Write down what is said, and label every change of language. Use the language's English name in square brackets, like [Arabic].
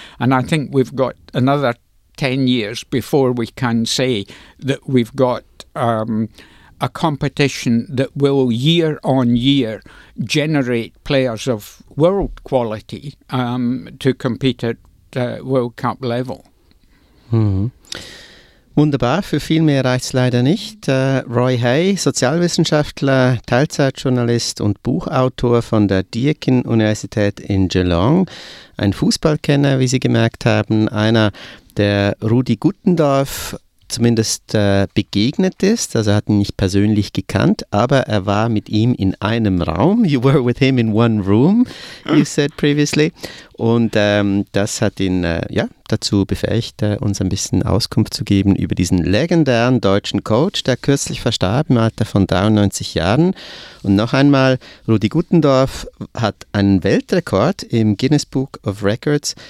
[English] And I think we've got another 10 years before we can say that we've got a competition that will year on year generate players of world quality to compete at World Cup level. [German] Wunderbar, für viel mehr reicht's leider nicht. Roy Hay, Sozialwissenschaftler, Teilzeitjournalist und Buchautor von der Deakin-Universität in Geelong. Ein Fußballkenner, wie Sie gemerkt haben, einer, der Rudi Guttendorf zumindest begegnet ist. Also er hat ihn nicht persönlich gekannt, aber er war mit ihm in einem Raum. [English] You were with him in one room, you said previously. [German] Und das hat ihn dazu befähigt, uns ein bisschen Auskunft zu geben über diesen legendären deutschen Coach, der kürzlich verstarb im Alter von 93 Jahren. Und noch einmal, Rudi Guttendorf hat einen Weltrekord im Guinness Book of Records.